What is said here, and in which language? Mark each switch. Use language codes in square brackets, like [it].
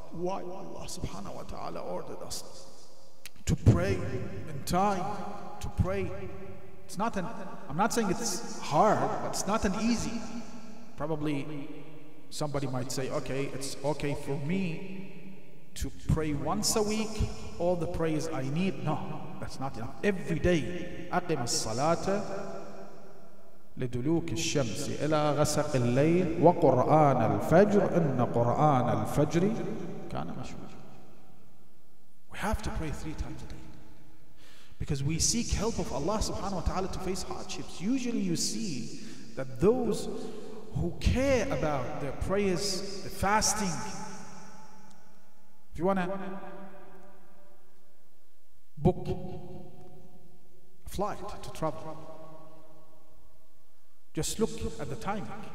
[en] Why Allah subhanahu wa ta'ala ordered us to pray in time, to pray? It's not an, I'm not saying it's hard, but it's not an easy. Probably somebody might say, okay, it's okay for me to pray once a week all the prayers I need. No, that's not enough. Every day, [ar] أقم الصلاة لدلوك الشمس إلى غسق الليل وقرآن الفجر إن قرآن الفجر كان مشهورا. [en] We have to pray 3 times a day, because we seek help of Allah subhanahu wa ta'ala to face hardships. Usually you see that those who care about their prayers, the fasting, if you want to book a flight to travel, just look at the timing.